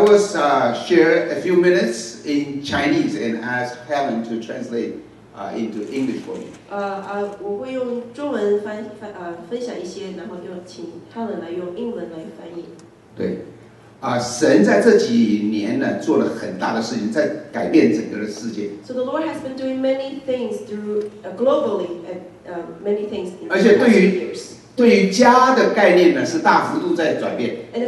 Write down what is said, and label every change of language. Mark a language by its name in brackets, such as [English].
[English] will share a few minutes in Chinese and ask Helen to translate into English for me. [Chinese] 我会用中文分享一些，然后就请 Helen 来用英文来翻译。对。神在这几年呢做了很大的事情，在改变整个的世界。 [English] So the Lord has been doing many things through globally many things. [Chinese] 而且对于家的概念呢是大幅度在转变。 [English] And